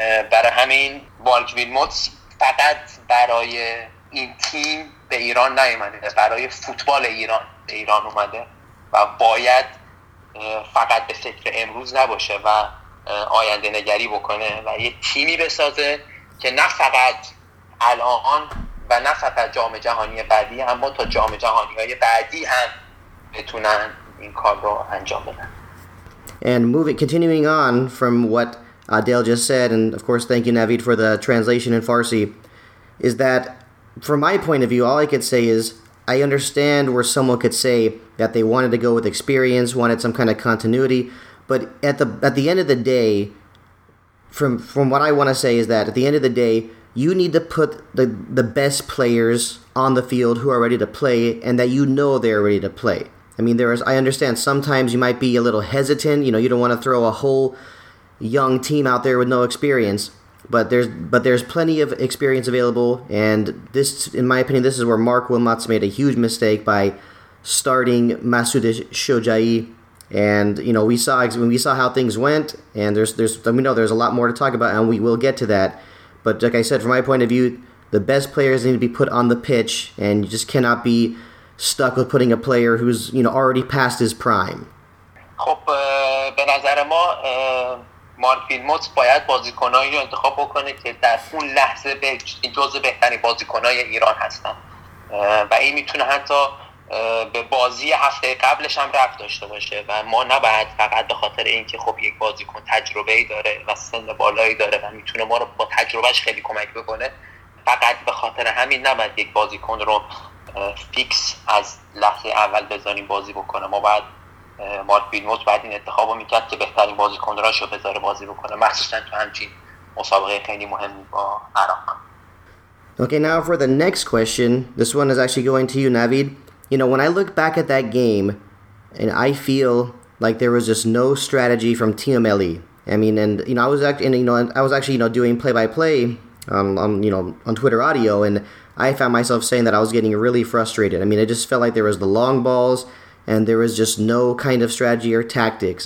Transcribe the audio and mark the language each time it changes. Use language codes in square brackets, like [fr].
[fa] برای همین مارک ویلموتس فقط برای این تیم به ایران نیومده، برای فوتبال ایران به ایران اومده و باید فقط به فکر امروز نباشه و آینده نگری بکنه و یه تیمی بسازه که نه فقط الان و نه فقط جام جهانی بعدی، اما تا جام جهانی های بعدی هم بتونن این کار رو انجام بدن. [en] And moving, continuing on from what Adele just said, and of course thank you Navid for the translation in Farsi, is that from my point of view, all I could say is I understand where someone could say that they wanted to go with experience, wanted some kind of continuity, but at the end of the day, from what I want to say is that at the end of the day, you need to put the best players on the field who are ready to play and that you know they're ready to play. I mean, I understand sometimes you might be a little hesitant, you know, you don't want to throw a whole young team out there with no experience, but there's plenty of experience available. And this, in my opinion, this is where Mark Wilmots made a huge mistake by starting Mesut Şojaí. And you know, we saw how things went, and there's a lot more to talk about, and we will get to that. But like I said, from my point of view, the best players need to be put on the pitch, and you just cannot be stuck with putting a player who's, you know, already past his prime. [fa] خب به نظر ما مارک ویلموتس باید بازیکنایی رو انتخاب بکنه که در اون لحظه جزو بهترین بازیکنای ایران هستن و این میتونه حتی به بازی هفته قبلش هم رفت داشته باشه و ما نباید فقط به خاطر اینکه خب یک بازیکن تجربه‌ای داره و سن بالایی داره و میتونه ما رو با تجربهش خیلی کمک بکنه، فقط به خاطر همین نباید یک بازیکن رو فیکس از لحظه اول بذاریم بازی بکنه. ما باید مارک ویلموتس باید این انتخابو میکرد که بهترین بازیکن راشو بذاره بازی بکنه، مخصوصا تو همچین مسابقه خیلی مهم با عراق. [en] Okay, now for the next question. This one is actually going to you, Navid. You know, when I look back at that game, and I feel like there was just no strategy from Team LE. I mean, and you know, I was actually doing play-by-play on Twitter audio, and I found myself saying that I was getting really frustrated. I mean, I just felt like there was the long balls, and there was just no kind of strategy or tactics.